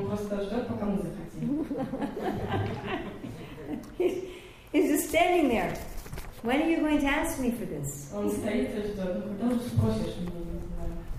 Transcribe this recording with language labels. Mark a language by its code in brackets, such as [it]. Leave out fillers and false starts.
[ru] Он просто ждет, пока мы захотим. [en] He's just standing there. When are you going to ask me for this? [ru] Он стоит и ждет. Ну, когда же спросишь меня, не знаю.